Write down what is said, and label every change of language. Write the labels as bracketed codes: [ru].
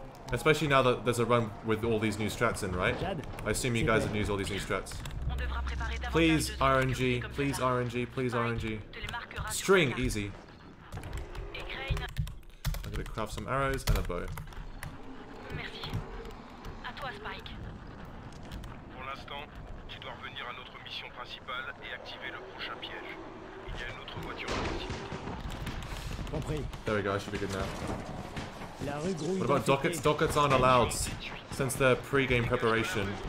[en] Especially now that there's a run with all these new strats in, right? I assume you guys have used all these new strats. Please, RNG. Please, RNG. Please, RNG. String, easy. I'm gonna craft some arrows and a bow. [fr] Merci. À toi, Spike. Pour l'instant, tu dois revenir à notre mission principale et activer le prochain piège. Il y a une autre voiture à l'intérieur. [en] There we go, I should be good now. [fr] La rue grouille. [en] What about dockets? Dockets aren't allowed since their pre-game preparation.